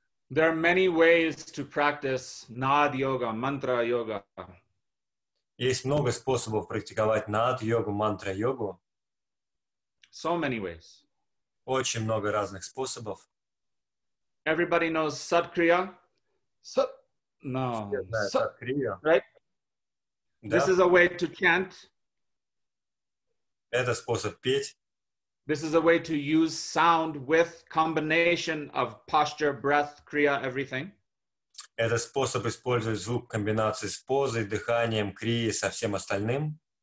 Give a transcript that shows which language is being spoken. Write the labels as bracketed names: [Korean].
[English] There are many ways to practice Naad yoga, mantra yoga. [Russian] Есть много способов практиковать Наад йогу, мантра йогу. [English] So many ways. [Russian] Очень много разных способов. [English] Everybody knows Садкрия. Right? [Russian] Да. [English] This is a way to chant. [Russian] Это способ петь. [English] This is a way to use sound with combination of posture, breath, kriya, everything. [Russian] Это способ использовать звук в комбинации с позой, дыханием, крией, со всем остальным.